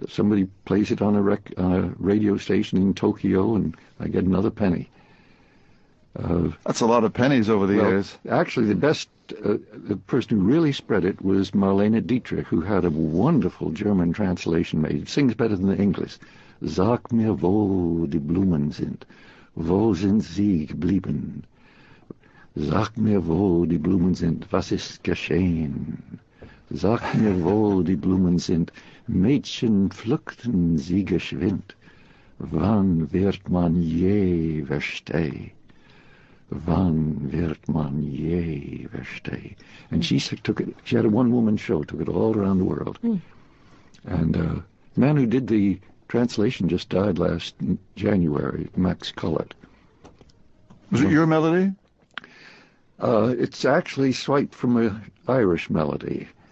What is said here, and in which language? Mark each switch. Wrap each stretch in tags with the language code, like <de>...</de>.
<en>Somebody plays it on a radio station in Tokyo, and I get another penny. That's a lot of pennies over the years. Actually, the best the person who really spread it was Marlene Dietrich, who had a wonderful German translation made. It sings better than the English.</en> <de>Sag mir, wo die Blumen sind. Wo sind sie geblieben? Sag mir, wo die Blumen sind. Was ist geschehen? Sag mir, wo die Blumen sind. Mädchen, flüchten sie geschwind. Wann wird man je verstehen? Wann wird man je verstehen?</de> <en>And she took it. She had a one-woman show, took it all around the world. Mm. And The man who did the translation just died last January, Max Cullett. Was it your melody? It's actually swiped from an Irish melody.</en>